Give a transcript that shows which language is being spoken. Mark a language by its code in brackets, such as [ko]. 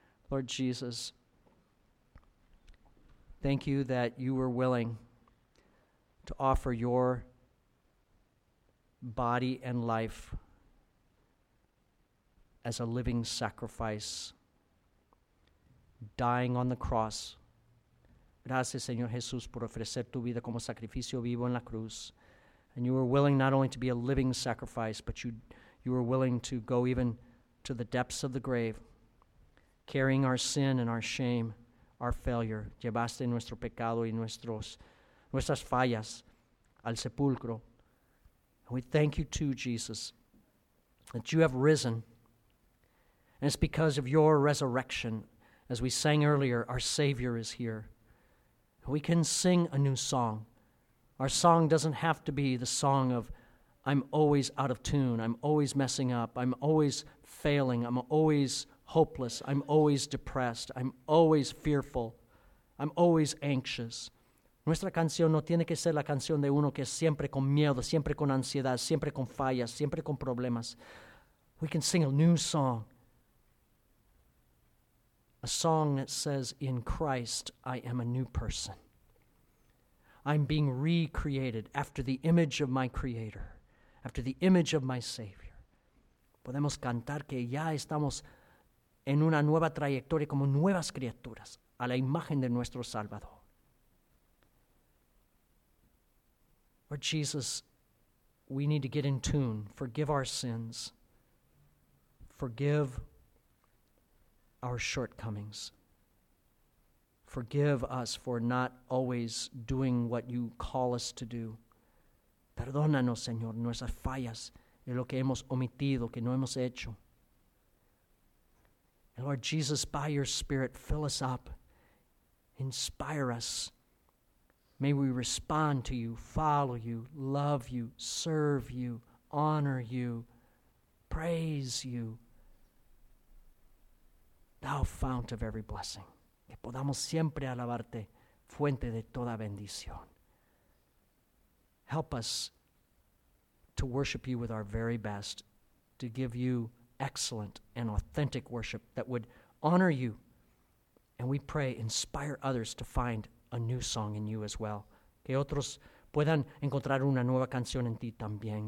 [en] Lord Jesus, thank you that you were willing to offer your body and life as a living sacrifice, dying on the cross. [es] Gracias, Señor Jesús, por ofrecer tu vida como sacrificio vivo en la cruz. [en] And you were willing not only to be a living sacrifice, but you were willing to go even to the depths of the grave, carrying our sin and our shame, our failure. [es] Llevaste nuestro pecado y nuestras fallas al sepulcro. [en] And we thank you too, Jesus, that you have risen. And it's because of your resurrection, as we sang earlier, our Savior is here. We can sing a new song. Our song doesn't have to be the song of, I'm always out of tune, I'm always messing up, I'm always failing, I'm always hopeless, I'm always depressed, I'm always fearful, I'm always anxious. [es] Nuestra canción no tiene que ser la canción de uno que es siempre con miedo, siempre con ansiedad, siempre con fallas, siempre con problemas. [en] We can sing a new song. A song that says, in Christ, I am a new person. I'm being recreated after the image of my Creator, after the image of my Savior. [es] Podemos cantar que ya estamos en una nueva trayectoria como nuevas criaturas a la imagen de nuestro Salvador. [en] Lord Jesus, we need to get in tune. Forgive our sins. Forgive our shortcomings. Forgive us for not always doing what you call us to do. [es] Perdónanos, Señor, nuestras fallas de lo que hemos omitido, que no hemos hecho. [en] And Lord Jesus, by your Spirit, fill us up. Inspire us. May we respond to you, follow you, love you, serve you, honor you, praise you. Thou fount of every blessing. [es] Que podamos siempre alabarte, fuente de toda bendición. [en] Help us to worship you with our very best, to give you excellent and authentic worship that would honor you. And we pray, inspire others to find a new song in you as well. [es] Que otros puedan encontrar una nueva canción en ti también.